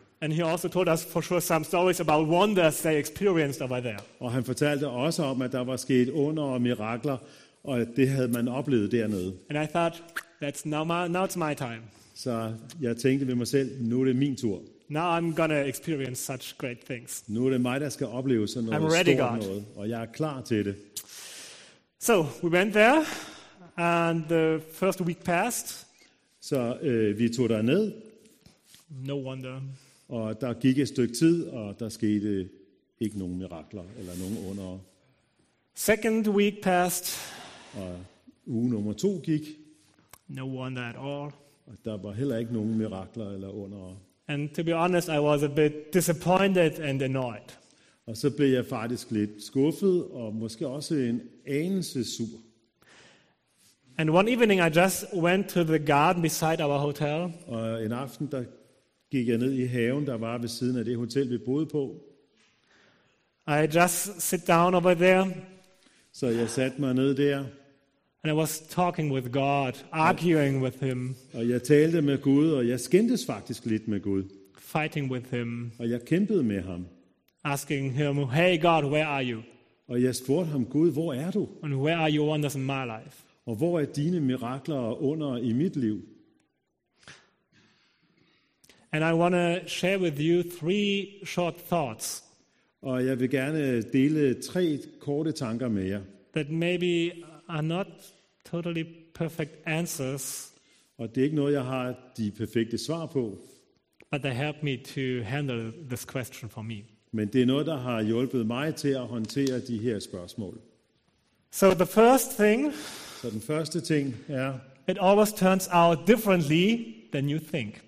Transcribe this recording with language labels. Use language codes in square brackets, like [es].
[en] And he also told us for sure some stories about wonders they experienced over there. [da] Og han fortalte også om, at der var sket under og mirakler, og at det havde man oplevet dernede. [en] And I thought, that's now it's my time. [da] Så jeg tænkte ved mig selv, nu er det min tur. [en] Now I'm gonna experience such great things. [da] Nu er det mig, der skal opleve sådan noget stort noget, og jeg er klar til det. [en] So we went there. And the first week passed. [da] Så vi tog der ned. [en] No wonder. [da] Og der gik et stykke tid, og der skete ikke nogen mirakler eller nogen under. [en] Second week passed. [da] Og uge nummer to gik. [en] No wonder at all. [da] Og der var heller ikke nogen mirakler eller under. [en] And to be honest, I was a bit disappointed and annoyed. [da] Og så blev jeg faktisk lidt skuffet og måske også en anelse sur. [en] And one evening I just went to the garden beside our hotel. [da] Og en aften der gik jeg ned i haven, der var ved siden af det hotel vi boede på. [en] I just sit down over there. [da] Så jeg satte mig ned der. [en] And I was talking with God, arguing with him. [da] Og jeg talte med Gud, og jeg skændtes faktisk lidt med Gud. [en] Fighting with him. [da] Og jeg kæmpede med ham. [en] Asking him, "Hey God, where are you?" [da] Og jeg spurgte ham, Gud, hvor er du? [en] And where are your wonders in my life? [da] Og hvor er dine mirakler og under i mit liv? [en] And I want to share with you three short thoughts. [da] Og jeg vil gerne dele tre korte tanker med jer. [en] That maybe are not totally perfect answers. [da] Og det er ikke noget jeg har de perfekte svar på. [en] But they help me to handle this question for me. [da] Men det er noget der har hjulpet mig til at håndtere de her spørgsmål. [en] So the first thing. [da] Så den første ting er. [en] It always turns out differently than you think.